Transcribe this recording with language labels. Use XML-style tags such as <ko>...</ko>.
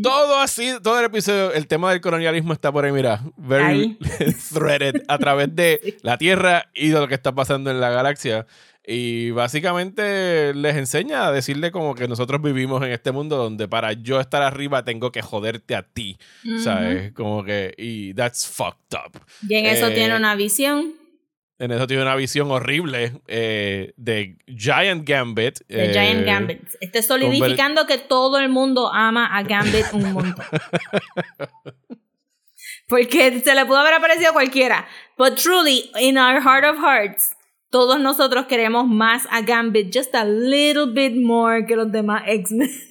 <es>Todo así, todo el episodio, el tema del colonialismo está por ahí, mira.</es> <en>Very threaded</en> <es>a través de la Tierra y de lo que está pasando en la galaxia. Y básicamente les enseña a decirle como que nosotros vivimos en este mundo donde para yo estar arriba tengo que joderte a ti, ¿sabes? Como que, y</es> <en>that's fucked up.</en> <es>Y en eso tiene una visión. En eso tiene una visión horrible de Giant Gambit. Esté solidificando que todo el mundo ama a Gambit un montón. Porque se le pudo haber aparecido cualquiera.</es> <en>But truly, in our heart of hearts,</en> <es>todos nosotros queremos más a Gambit,</es> <en>just a little bit more</en> <es>que los demás X-Men.</es>